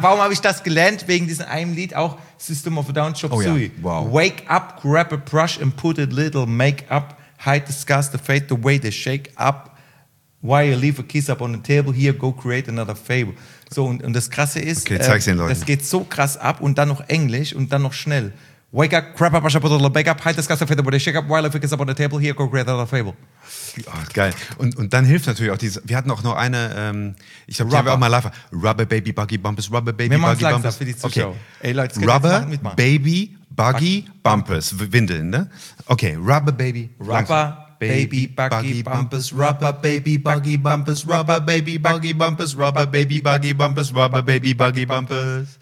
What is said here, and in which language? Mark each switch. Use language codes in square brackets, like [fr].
[de] Warum habe ich das gelernt? Wegen diesem einen Lied auch, System of a Down, Chop Suey. [en] Oh, yeah. Wow. Wake up, grab a brush and put a little makeup. Hide the scars, the fate, the way they shake up. While you leave a kiss up on the table, here go create another fable. [de] So, und das Krasse ist, das geht so krass ab und dann noch Englisch und dann noch schnell. [en] Wake up, grab a brush and put a little makeup. Hide the scars, the fate, the way they shake up. While you leave a kiss up on the table, here go create another fable. [de] Oh, geil. Und dann hilft natürlich auch wir hatten auch noch eine, ich glaube, die haben wir auch mal live. [en] Rubber Baby Buggy Bumpers, Rubber Baby Buggy Bumpers. [de] Für die Zuschauer. Okay. Ey, Leute, Rubber Baby Buggy Bumpers, Windeln, ne? [en] Okay, Rubber Baby. Rubber Baby Buggy Bumpers, Rubber Baby Buggy Bumpers, Rubber Baby Buggy Bumpers, Rubber Baby Buggy Bumpers, Rubber Baby Buggy Bumpers.